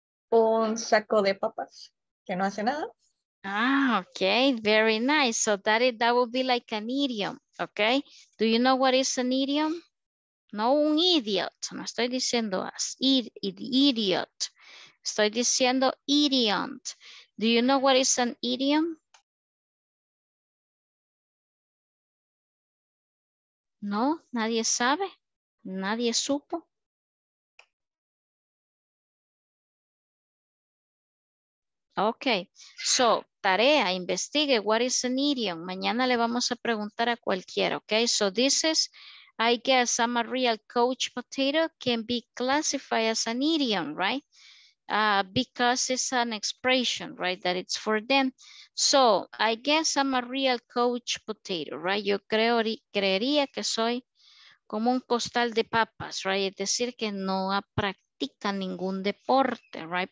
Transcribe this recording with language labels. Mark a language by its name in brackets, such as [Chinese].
[Spanish] Un saco de papas que no hace nada. [English] Ah, okay, very nice. So that would be like an idiom, okay? Do you know what is an idiom? No, un idiot. [Spanish] No estoy diciendo as idiot. Estoy diciendo idiom. [English] Do you know what is an idiom? [Spanish] No, nadie sabe. Nadie supo. [English] Okay, so [Spanish] tarea, investigue, [English] what is an idiom? [Spanish] Mañana le vamos a preguntar a cualquiera, okay? [English] So this is, I guess I'm a real couch potato can be classified as an idiom, right? Because it's an expression, right? That it's for them. So I guess I'm a real couch potato, right? [Spanish] Yo creería que soy como un costal de papas, right? Es decir, que no ha practicado ningún deporte, right?